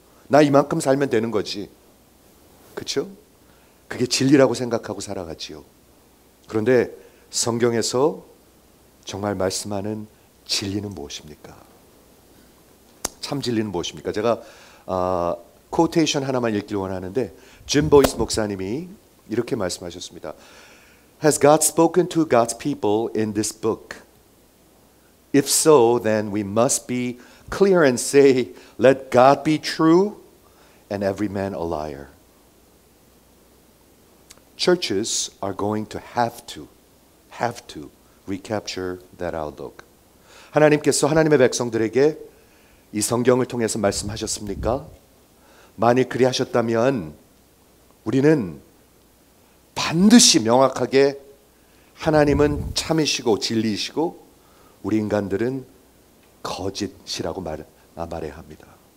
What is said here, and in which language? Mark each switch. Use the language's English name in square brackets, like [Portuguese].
[Korean] 나 이만큼 살면 되는 거지. 그렇죠? 그게 진리라고 생각하고 살아가지요. 그런데 성경에서 정말 말씀하는 진리는 무엇입니까? 참 진리는 무엇입니까? 제가 코테이션 하나만 읽기 원하는데 짐 보이스 목사님이 이렇게 말씀하셨습니다. [English] Has God spoken to God's people in this book? If so, then we must be clear and say, let God be true and every man a liar. Churches are going to have to recapture that outlook. [Korean] 하나님께서 하나님의 백성들에게 이 성경을 통해서 말씀하셨습니까? 만일 그리하셨다면 우리는 반드시 명확하게 하나님은 참이시고 진리이시고 우리 인간들은 거짓이라고 말해야 합니다.